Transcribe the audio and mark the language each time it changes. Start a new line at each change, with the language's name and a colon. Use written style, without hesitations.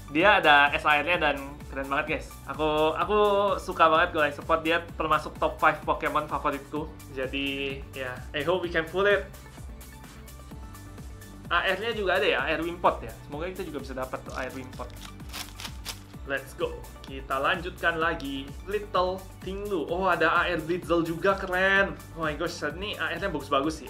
Indonesian: Dia ada SAR-nya dan keren banget, guys. Aku suka banget Gelai Support, dia termasuk top 5 Pokemon favoritku. Jadi, ya,
English: yeah. I hope we can pull it.
Indonesian: AR-nya juga ada ya, AR Wimpod ya. Semoga kita juga bisa dapat tuh AR Wimpod.
English: Let's go.
Indonesian: Kita lanjutkan lagi. Little Tinglu. Oh, ada AR Blitzel juga. Keren.
English: Oh my gosh.
Indonesian: Ini AR-nya bagus-bagus sih.